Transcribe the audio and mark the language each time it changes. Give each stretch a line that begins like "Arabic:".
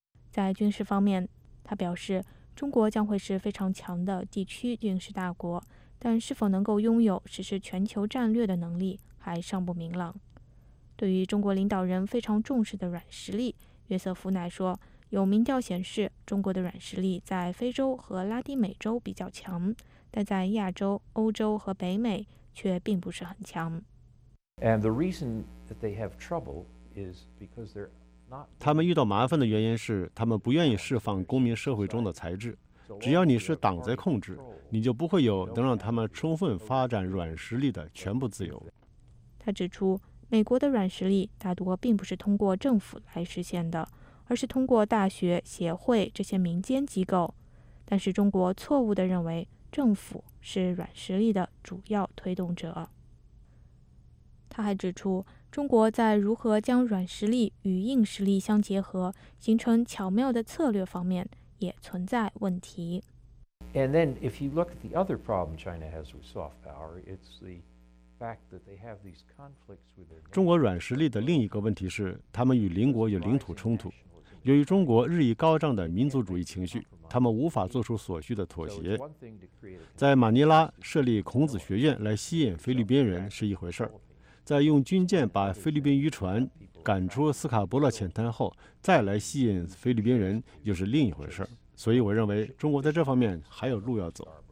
Chinese: 在军事方面，他表示中国将会是非常强的地区军事大国，但是否能够拥有实施全球战略的能力还尚不明朗。对于中国领导人非常重视的软实力，约瑟夫奈说，有民调显示中国的软实力在非洲和拉丁美洲比较强，但在亚洲、欧洲和北美却并不是很强。
English: And the reason that they have trouble is because they're not.
Chinese: 他们遇到麻烦的原因是他们不愿意释放公民社会中的才智。只要你是党在控制，你就不会有能让他们充分发展软实力的全部自由。他指出，美国的软实力大多并不是通过政府来实现的，而是通过大学、协会这些民间机构。但是中国错误地认为政府是软实力的主要推动者。他还指出，中国在如何将软实力与硬实力相结合，形成巧妙的策略方面也存在问题。
English: And then if you look at the other problem China has with soft power, it's the fact that they have these conflicts with their.
Chinese: 中国软实力的另一个问题是，他们与邻国有领土冲突。由于中国日益高涨的民族主义情绪，他们无法做出所需的妥协。在马尼拉设立孔子学院来吸引菲律宾人是一回事儿。在用军舰把菲律宾渔船赶出斯卡伯勒浅滩后再来吸引菲律宾人又是另一回事，所以我认为中国在这方面还有路要走。